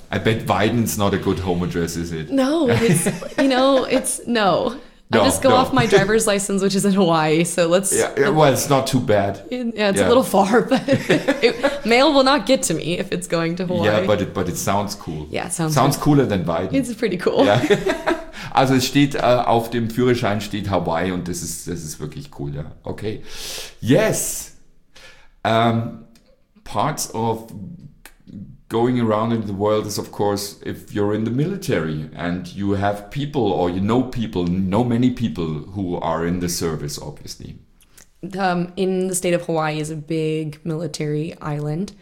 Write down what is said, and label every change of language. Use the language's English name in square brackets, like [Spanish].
[English] I bet Biden's not a good home address, is it? No. I'll just go off my driver's license, which is in Hawaii. So let's. Yeah. Well, it's not too bad. It's a little far, but mail will not get to me if it's going to Hawaii. Yeah, but it sounds cool. Yeah, it sounds cooler than Biden. It's pretty cool. Yeah. [German] Also es steht auf dem Führerschein steht Hawaii und das ist wirklich cool. [English] Ja. Okay. Yes. Parts of going around in the world is, of course, if you're in the military and you have people or you know people, know many people who are in the service, obviously. In the state of Hawaii is a big military island.